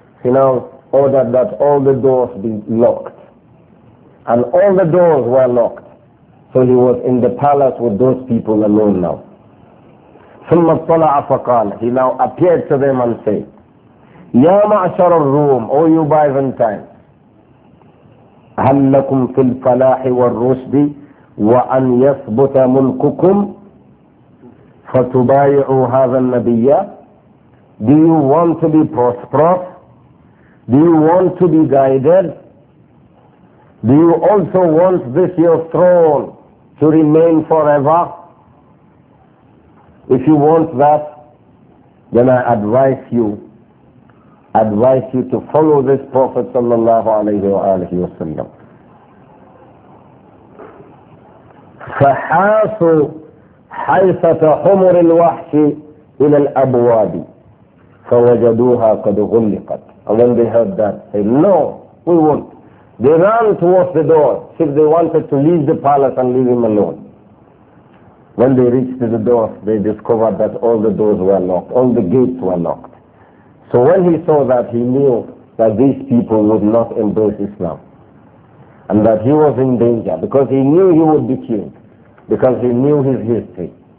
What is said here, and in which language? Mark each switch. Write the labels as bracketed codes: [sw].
[en] He now ordered that all the doors be locked. And all the doors were locked. So he was in the palace with those people alone now. [ar] ثُمَّ اطَّلَعَ فَقَالَ. [en] He now appeared to them and said, [ar] يَا مَعْشَرَ الرُّومِ. [en] O you Byzantine, [ar] هل لكم في الفلاح والرشد وأن يثبت ملككم فتبايعوا هذا النبي. [en] Do you want to be prosperous? Do you want to be guided? Do you also want this your throne to remain forever? If you want that, then I advise you to follow this Prophet sallallahu alayhi wa alayhi wa sallam. [ar] فحاسوا حيث تحمر الوحش إلى الأبواب فوجدوها قد غلقت. [en] And when they heard that, they said, no, we won't. They ran towards the door, as if they wanted to leave the palace and leave him alone. When they reached the door, they discovered that all the doors were locked, all the gates were locked. So when he saw that, he knew that these people would not embrace Islam, and that he was in danger, because he knew he would be killed, because he knew his history.